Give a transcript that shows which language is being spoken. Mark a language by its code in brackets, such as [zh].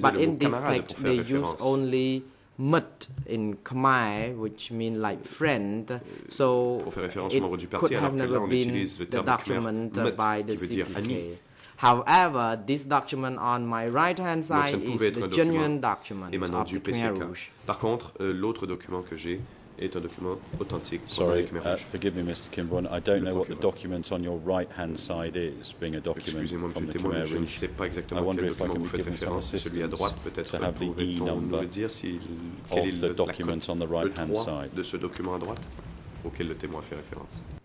[en] But in this text, they use only mut in Khmer, which means like friend, so it could have never been the document by the CPK. However, this document on my right-hand side is the genuine document of the Khmer Rouge. [fr] Par contre, l'autre document que j'ai est un document authentique. [en] Sorry, forgive me, Mr. Kimbun. I don't know what the document on your right-hand side is, being a document from the Khmer Rouge. [fr] Je ne sais pas exactement quel document vous faites référence. Celui à droite, peut-être pouvez-vous nous dire quel est le [en] document on the right-hand side [fr] de ce document à droite auquel le témoin fait référence.